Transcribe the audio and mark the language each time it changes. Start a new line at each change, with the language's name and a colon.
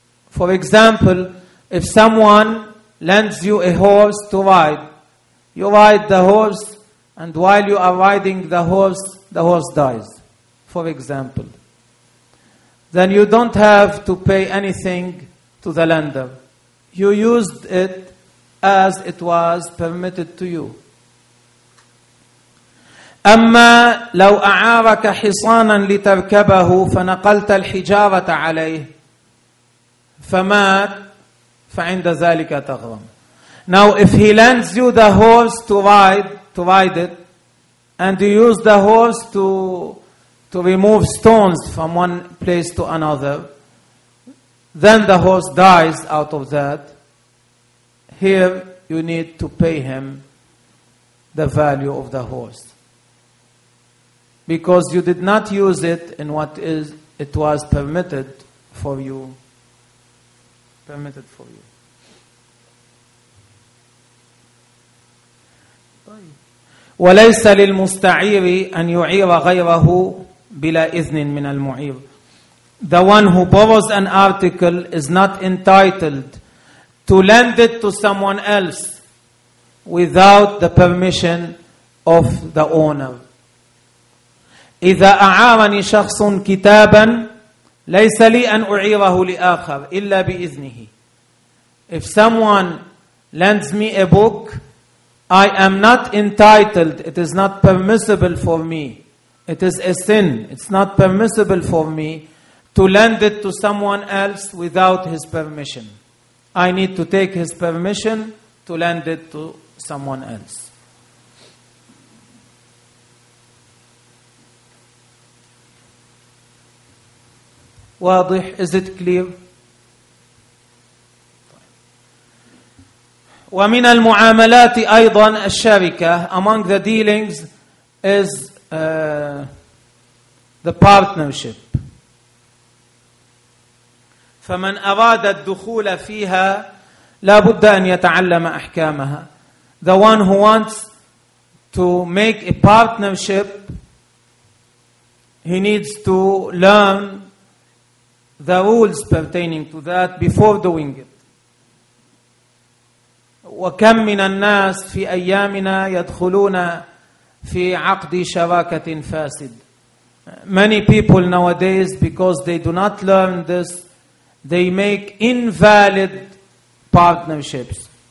English: For example, if someone lends you a horse to ride, you ride the horse, and while you are riding the horse dies, for example. Then you don't have to pay anything to the lender. You used it as it was permitted to you.
Arabic: أما لو أعارك حصانا لتركبه فنقلت الحجارة عليه فمات فعند ذلك تغرم.
English: Now if he lends you the horse to ride it, And you use the hose to remove stones from one place to another. Then the horse dies out of that. Here you need to pay him the value of the horse. Because you did not use it in what is it was permitted for you. Permitted for you.
Arabic: وليس للمستعير أن يعير غيره بلا إذن من المعير.
English: The one who borrows an article is not entitled to lend it to someone else without the permission of the owner.
Arabic: إذا أعارني شخص كتابا ليس لي أن أعيره لآخر إلا بإذنه.
English: If someone lends me a book, I am not entitled, it is not permissible for me. It is a sin. It's not permissible for me to lend it to someone else without his permission. I need to take his permission to lend it to someone else.
Arabic: واضح?
English: Is it clear?
Arabic: ومن المعاملات أيضا الشركة.
English: Among the dealings is the partnership.
Arabic: فمن أراد الدخول فيها لا بد أن يتعلم أحكامها.
English: The one who wants to make a partnership, he needs to learn the rules pertaining to that before doing it.
Arabic: وكم من الناس في أيامنا يدخلون في عقد شراكة فاسد.
English: Many people nowadays, because they do not learn this, they make invalid partnerships.